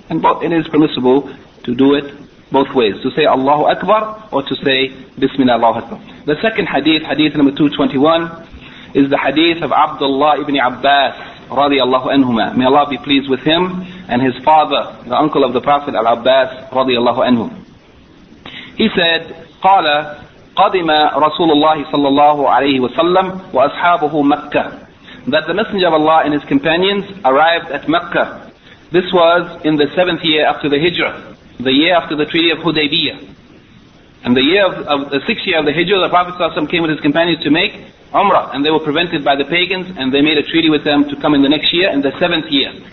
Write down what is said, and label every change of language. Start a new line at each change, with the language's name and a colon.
English: And both, it is permissible to do it both ways, to say Allahu Akbar or to say Bismillah Allahu Akbar. The second hadith, hadith number 221, is the hadith of Abdullah ibn Abbas, radiallahu anhumah. May Allah be pleased with him and his father, the uncle of the Prophet Al-Abbas, radiallahu anhum. He said,
Arabic: قال قدم رسول الله صلى الله عليه وسلم وأصحابه مكة.
English: That the Messenger of Allah and his companions arrived at Mecca. This was in the 7th year after the Hijrah, the year after the Treaty of Hudaybiyah. And the year of the 6th year of the Hijrah, the Prophet ﷺ came with his companions to make Umrah, and they were prevented by the pagans, and they made a treaty with them to come in the next year, in the 7th year.